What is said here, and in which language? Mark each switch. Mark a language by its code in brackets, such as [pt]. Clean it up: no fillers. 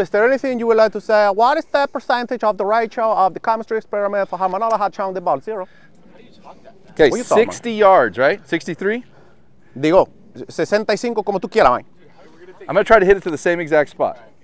[en] Is there anything you would like to say? What is the percentage of the ratio of the chemistry experiment for how Manolo had chunked the ball? Zero. Okay, 60 yards, right? 63? [es] Digo, 65 como tú quieras, man. [en] I'm going to try to hit it to the same exact spot.